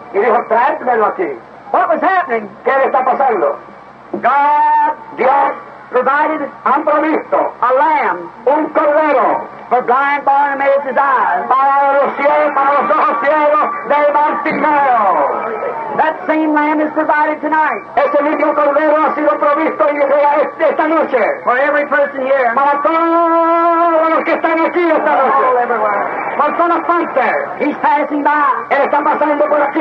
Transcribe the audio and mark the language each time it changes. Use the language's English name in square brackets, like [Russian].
[Spanish] Y dijo, tráemelo aquí. [English] What was happening? [Spanish] ¿Qué le está pasando? [English] God. [Spanish] Dios. [English] Provided. [Spanish] Han provisto. [English] A lamb. [Spanish] Un cordero. [English] For blind Bartimaeus' eyes. [Spanish] Para los ojos ciegos de Bartimeo. [English] That same lamb is provided tonight. [Spanish] Ese mismo cordero ha sido provisto y llega esta noche. [English] For every person here. [Spanish] Para todos los que están aquí esta noche. [English] All everywhere. [Spanish] Para todos los fuentes. [English] He's passing by. [Spanish] Él está pasando por aquí.